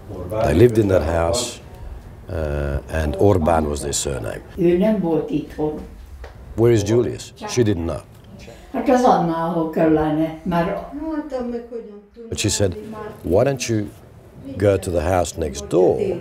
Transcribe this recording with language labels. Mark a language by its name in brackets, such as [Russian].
[English] They lived in that house, and Orbán was their surname. [Hungarian] Ő nem volt itthon. [English] Where is Julius? She didn't know. [Hungarian] Hát az Anna, ahol kellene, már... [English] But she said, why don't you go to the house next door?